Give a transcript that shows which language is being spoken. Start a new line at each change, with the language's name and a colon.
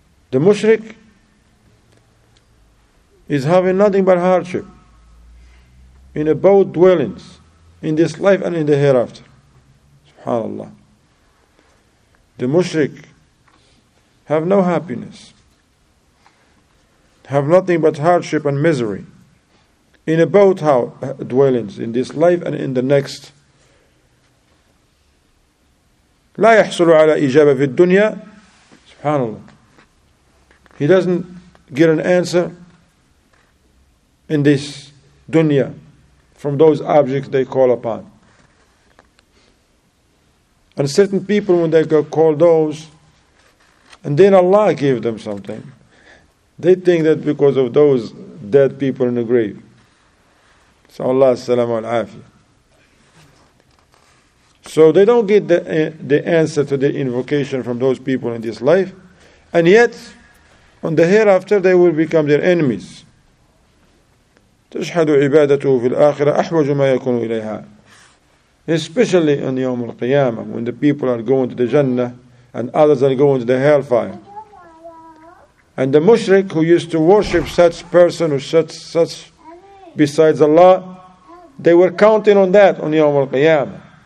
English: The mushrik is having nothing but hardship in both dwellings, in this life and in the hereafter. Subhanallah. The mushrik have no happiness, have nothing but hardship and misery, in a both dwellings, in this life and in the next.
Arabic: لا يحصل على إجابة في الدنيا.
English: Subhanallah. He doesn't get an answer in this dunya from those objects they call upon. And certain people, when they go call those, and then Allah gave them something, they think that because of those dead people in the grave. So Allah salam wa al-afiyah. So they don't get the answer to the invocation from those people in this life, and yet on the hereafter they will become their enemies.
Arabic: تشهد عبادته في الآخرة أحوج ما يكون إليها.
English: Especially on يوم القيامة, when the people are going to the Jannah and others are going to the hellfire. And the mushrik who used to worship such person or such besides Allah, they were counting on that on يوم القيامة.